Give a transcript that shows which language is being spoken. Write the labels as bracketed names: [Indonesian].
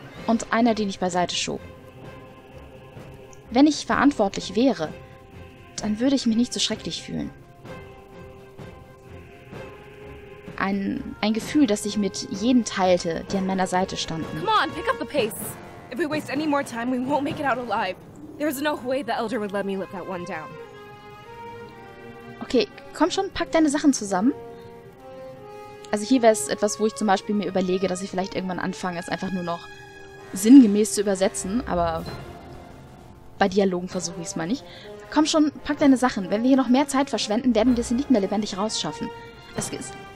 [German] Und einer, den ich beiseite schob. Wenn ich verantwortlich wäre, dann würde ich mich nicht so schrecklich fühlen. Ein Gefühl, das ich mit jedem teilte, die an meiner Seite standen. [English] Come on, pick up the pace! If we waste any more time, we won't make it out alive. There's no way the Elder would let me let that one down. [German] Okay, komm schon, pack deine Sachen zusammen. Also hier wäre es etwas, wo ich zum Beispiel mir überlege, dass ich vielleicht irgendwann anfange, es einfach nur noch sinngemäß zu übersetzen. Aber bei Dialogen versuche ich es mal nicht. Komm schon, pack deine Sachen. Wenn wir hier noch mehr Zeit verschwenden, werden wir sie nicht mehr lebendig rausschaffen. Es ist...